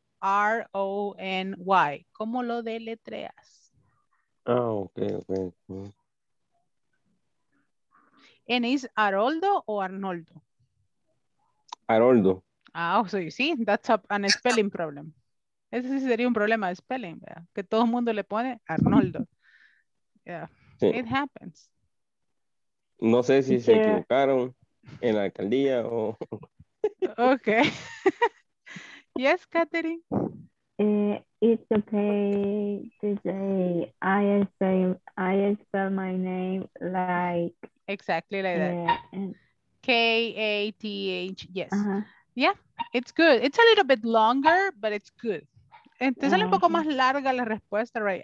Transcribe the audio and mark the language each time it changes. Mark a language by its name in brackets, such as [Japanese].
[Spanish] R-O-N-Y. ¿Cómo lo deletreas? [English] Ah, okay. And is Haroldo or Arnoldo? Haroldo. Ah, so you see, that's a spelling problem. [Spanish] Ese sí sería un problema de spelling, ¿verdad? Que todo el mundo le pone Arnoldo. Yeah, sí. [English] It happens. [Spanish] No sé si se equivocaron en la alcaldía o... [English] Okay. Yes, Katherine. It's okay to say I spell my name like... Exactly like that. K-A-T-H, yes. Uh-huh. Yeah, it's good. It's a little bit longer, but it's good. [Spanish] Entonces sale un poco más larga la respuesta, right?